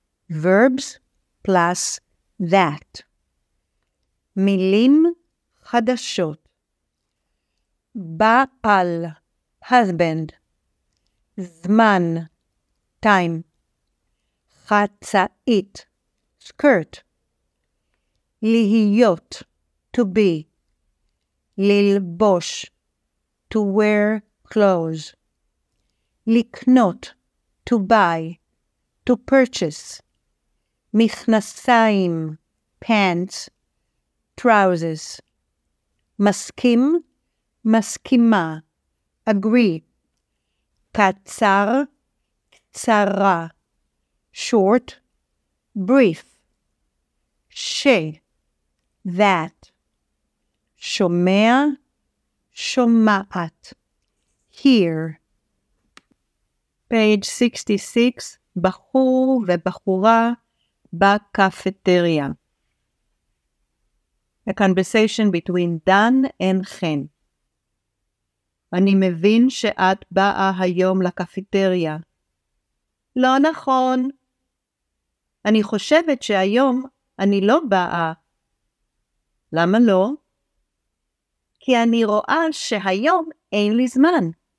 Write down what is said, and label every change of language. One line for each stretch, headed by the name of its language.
English: Verbs plus that.
Hebrew: מילים חדשות. בעל, husband. זמן, time. חצאית, skirt.
English: להיות, to be. ללבוש, to wear clothes. לקנות, to buy, to purchase. מכנסיים, pants, trousers.
Hebrew: מסכים, מסכימה, agree. קצר, קצרה,
English: short, brief.
Hebrew: ש, that. שומע, שומעת, hear. Page 66, בחור ובחורה בקפטריה.
English: A conversation between Dan and Chen.
Hebrew: אני מבין שאת באה היום לקפטריה. לא נכון. אני חושבת שהיום אני לא באה. למה לא? כי אני רואה שהיום אין לי זמן.